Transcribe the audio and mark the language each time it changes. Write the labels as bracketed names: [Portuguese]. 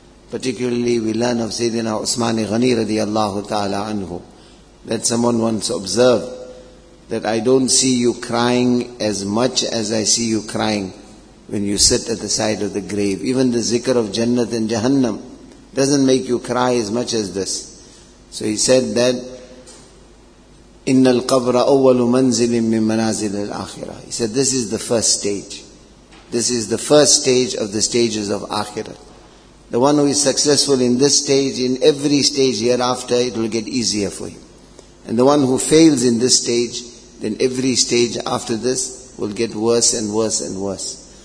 [English] Particularly, we learn of Sayyidina Uthman Ghani radiallahu ta'ala anhu, that someone once observed that I don't see you crying as much as I see you crying when you sit at the side of the grave. Even the zikr of Jannat and Jahannam doesn't make you cry as much as this. So he said that, [Arabic] إِنَّ الْقَبْرَ أَوَّلُ مَنْزِلٍ مِّن مَنَازِلِ الْآخِرَةِ. [English] He said, this is the first stage. This is the first stage of the stages of Akhirah. The one who is successful in this stage, in every stage hereafter, it will get easier for him. And the one who fails in this stage, then every stage after this will get worse and worse and worse.